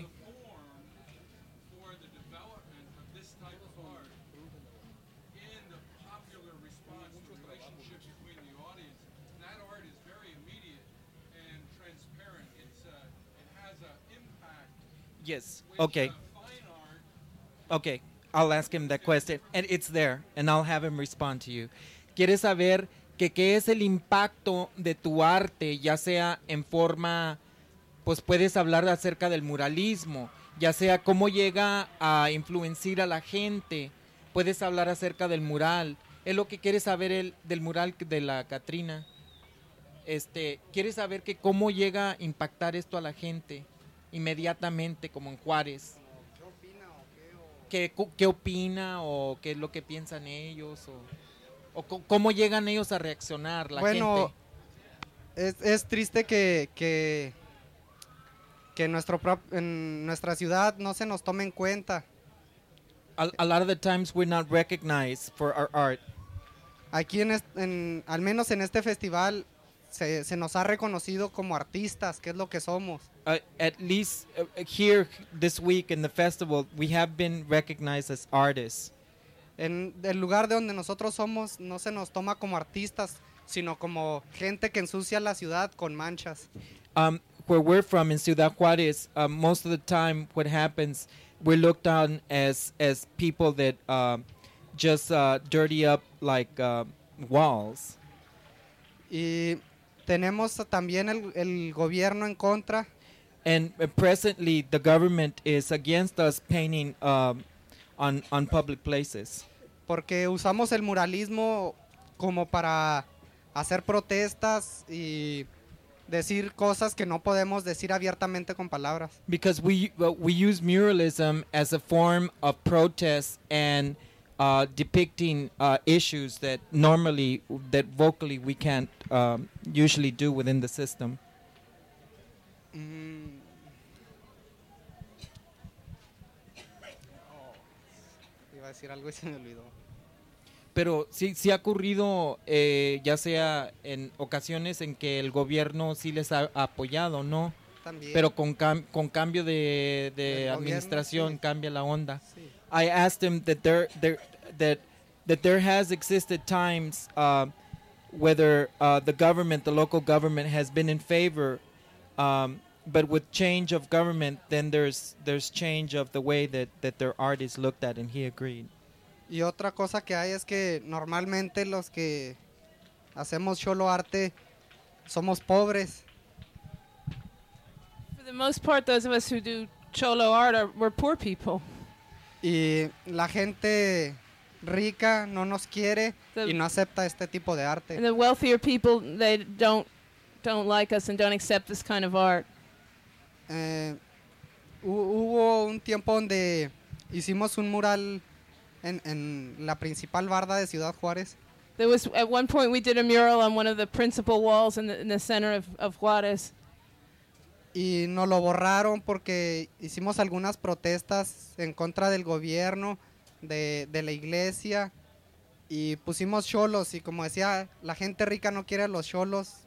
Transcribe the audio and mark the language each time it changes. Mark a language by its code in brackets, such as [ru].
[en] The form for the development of this type of art in the popular response to the relationship between the audience. That art is very immediate and transparent. It has an impact. Yes. Which okay. Fine art. Okay. I'll ask him that question, and it's there, and I'll have him respond to you. [es] ¿Quieres saber qué es el impacto de tu arte, ya sea en forma pues puedes hablar acerca del muralismo, ya sea cómo llega a influenciar a la gente, puedes hablar acerca del mural. Es lo que quiere saber el del mural de la Katrina. Quiere saber que cómo llega a impactar esto a la gente inmediatamente, como en Juárez. ¿Qué opina o qué es lo que piensan ellos o cómo llegan ellos a reaccionar la bueno, gente? Bueno, es triste que en nuestra ciudad no se nos tome en cuenta. [en] A lot of the times we're not recognized for our art. [es] Aquí al menos en este festival se nos ha reconocido como artistas, que es lo que somos. [en] At least here this week in the festival we have been recognized as artists. [es] En el lugar de donde nosotros somos no se nos toma como artistas, sino como gente que ensucia la ciudad con manchas. [en] Where we're from in Ciudad Juárez, most of the time what happens, we're looked on as people that just dirty up like walls. [es] Y tenemos también el gobierno en contra. [en] And presently the government is against us painting on public places. [es] Porque usamos el muralismo como para hacer protestas y decir cosas que no podemos decir abiertamente con palabras. [en] Because we use muralism as a form of protest and depicting issues that vocally we can't usually do within the system. [es] Iba a decir algo y se me olvidó. Pero sí ha ocurrido, ya sea en ocasiones en que el gobierno sí les ha apoyado, ¿no? También. Pero con cambio de administración, sí. Cambia la onda. Sí. [en] I asked him that there has existed times whether the government, the local government, has been in favor, but with change of government, then there's change of the way that their art is looked at, and he agreed. [es] Y otra cosa que hay es que normalmente los que hacemos cholo arte somos pobres. [en] For the most part, those of us who do cholo art we're poor people. [es] Y la gente rica no nos quiere y no acepta este tipo de arte. [en] And the wealthier people, they don't like us and don't accept this kind of art. [es] Hubo un tiempo donde hicimos un mural en la principal barda de Ciudad Juárez. [en] There was at one point we did a mural on one of the principal walls in the center of Juárez. [es] Y nos lo borraron porque hicimos algunas protestas en contra del gobierno, de la iglesia, y pusimos cholos, y como decía, la gente rica no quiere a los cholos.